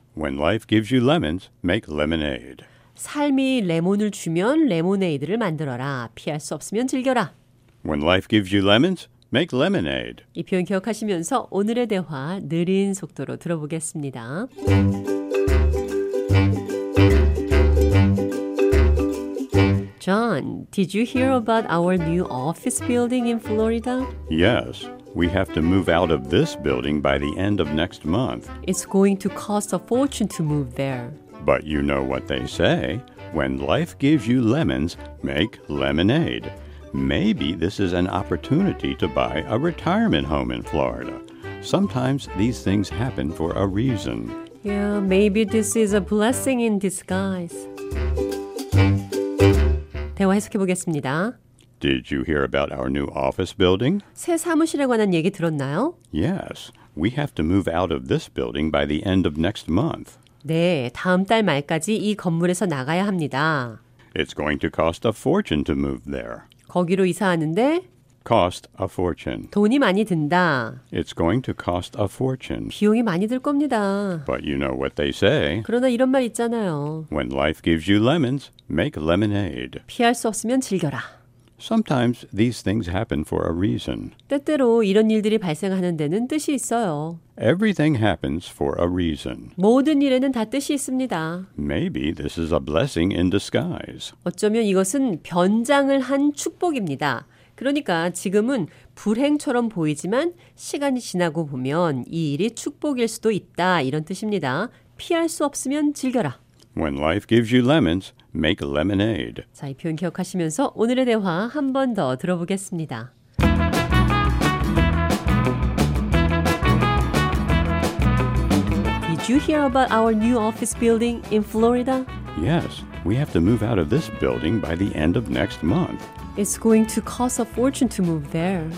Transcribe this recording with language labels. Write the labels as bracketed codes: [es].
[en] When life gives you lemons, make lemonade. [ko] 삶이 레몬을 주면 레모네이드를 만들어라. 피할 수 없으면 즐겨라. [en] When life gives you lemons, make lemonade. [ko] 이 표현 기억하시면서 오늘의 대화 느린 속도로 들어보겠습니다. [en] John, did you hear about our new office building in Florida? Yes. We have to move out of this building by the end of next month. It's going to cost a fortune to move there. But you know what they say. When life gives you lemons, make lemonade. Maybe this is an opportunity to buy a retirement home in Florida. Sometimes these things happen for a reason. Yeah, maybe this is a blessing in disguise. [ko] 대화 해석해 보겠습니다. [en] Did you hear about our new office building? [ko] 새 사무실에 관한 얘기 들었나요? [en] Yes, we have to move out of this building by the end of next month. [ko] 네, 다음 달 말까지 이 건물에서 나가야 합니다. [en] It's going to cost a fortune to move there. [ko] 거기로 이사하는데 [en] cost a fortune. [ko] 돈이 많이 든다. [en] It's going to cost a fortune. [ko] 비용이 많이 들 겁니다. [en] But you know what they say. [ko] 그러나 이런 말 있잖아요. [en] When life gives you lemons, make lemonade. [ko] 피할 수 없으면 즐겨라. [en] Sometimes these things happen for a reason. [ko] 때때로 이런 일들이 발생하는 데는 뜻이 있어요. [en] Everything happens for a reason. [ko] 모든 일에는 다 뜻이 있습니다. [en] Maybe this is a blessing in disguise. [ko] 어쩌면 이것은 변장을 한 축복입니다. 그러니까 지금은 불행처럼 보이지만 시간이 지나고 보면 이 일이 축복일 수도 있다 이런 뜻입니다. 피할 수 없으면 즐겨라. [en] When life gives you lemons, make lemonade. [ko] 자, 이 표현 기억하시면서 오늘의 대화 한 번 더 들어보겠습니다. [en] Did you hear about our new office building in Florida? Yes, we have to move out of this building by the end of next month. It's going to cost a fortune to move there.